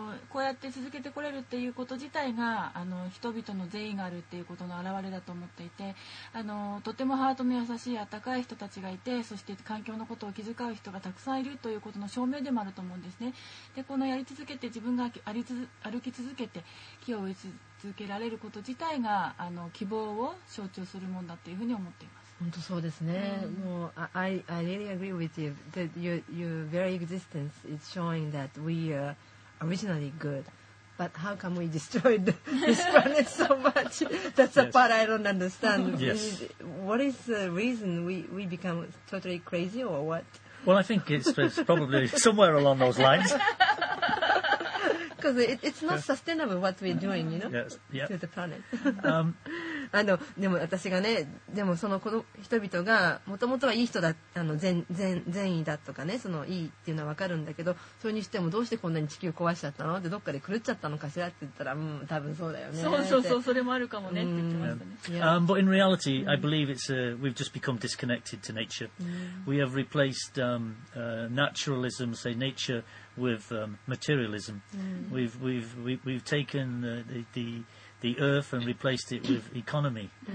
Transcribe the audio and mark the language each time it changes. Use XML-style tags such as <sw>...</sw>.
<ja>こうやって続けてこれるっていうこと自体が人々の善意があるっていうことの表れだと思っていて、とてもハートの優しい温かい人たちがいて、そして環境のことを気遣う人がたくさんいるということの証明でもあると思うんですね。で、このやり続けて、自分が歩き続けて木を植え続けられること自体が希望を象徴するものだというふうに思っています。本当そうですね。</ja> <en>もう I really agree with you that your very existence is showing that we are originally good. But how come we destroyed this planet so much? That's a part I don't understand. Yes. What is the reason we become totally crazy or what? Well, I think it's probably somewhere along those lines. Because it's not sustainable what we're doing, you know, yes. to the planet.</en> <ja>でも私がね、でもその人々がもともとはいい人だ、善意だとかね、そのいいっていうのは分かるんだけど、それにしてもどうしてこんなに地球壊しちゃったのって、どっかで狂っちゃったのかしらって言ったら、うん、多分そうだよね。そうそうそう、それもあるかもねって言ってましたね。</ja> <en>But in reality, I believe it's we've just become disconnected to nature. We have replaced naturalism, say nature, with materialism. We've taken the earth and replaced it with economy.</en>